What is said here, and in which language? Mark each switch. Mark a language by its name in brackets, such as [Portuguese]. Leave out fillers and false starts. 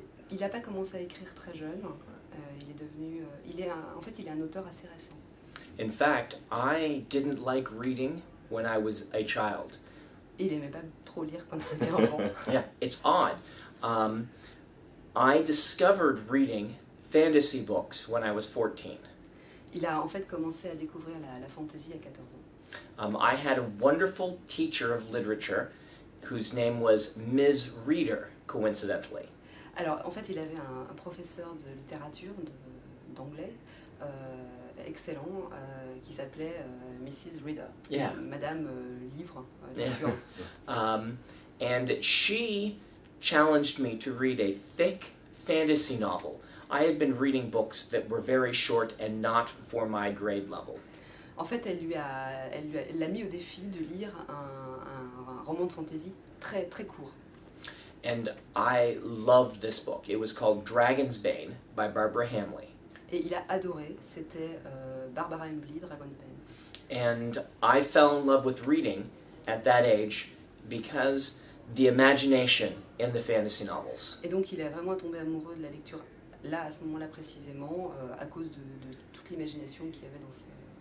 [French] Il a pas commencé à écrire très jeune. Il est devenu. Il est un auteur assez récent. [English] In fact, I didn't like reading when I was a child. [French] Il aimait pas trop lire quand il était enfant. [English] Yeah, it's odd. I discovered reading fantasy books when I was 14. [French] Il a en fait commencé à découvrir la fantasy à 14 ans. [English] I had a wonderful teacher of literature whose name was Ms. Reader, coincidentally. [French] Alors, en fait, il avait un professeur de littérature, d'anglais, excellent, qui s'appelait Mrs. Reader. [English] Yeah. [French] Madame Livre, [English] And she challenged me to read a thick fantasy novel. I had been reading books that were very short and not for my grade level. [French] En fait, elle l'a mis au défi de lire un roman de fantasy très très court. [English] And I loved this book. It was called Dragon's Bane by Barbara Hambly. [French] Et il a adoré. C'était Barbara Hambly, Dragon's Bane. [English] And I fell in love with reading at that age because the imagination in the fantasy novels. [French] Et donc il est vraiment tombé amoureux de la lecture là à ce moment-là précisément à cause de toute l'imagination qu'il y avait dans ce livre.